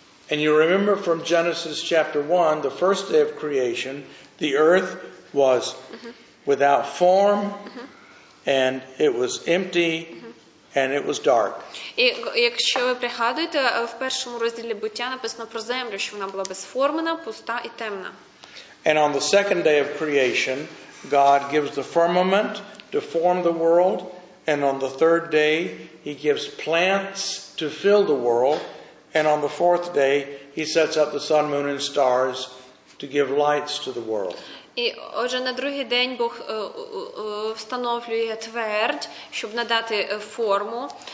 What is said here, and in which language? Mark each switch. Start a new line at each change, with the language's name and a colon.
English: And you remember from Genesis chapter 1, the first day of creation, the earth was without form, and it was empty, and it was dark.
Ukrainian: І якщо ви пригадуєте, в першому розділі буття написано про землю, що вона була безформена, пуста і темна.
English: And on the second day of creation, God gives the firmament to form the world, and on the third day, he gives plants to fill the world, and on the fourth day, he sets up the sun, moon, and stars to give lights to the world.
Ukrainian: І отже, на другий день Бог встановлює твердь, щоб надати форму.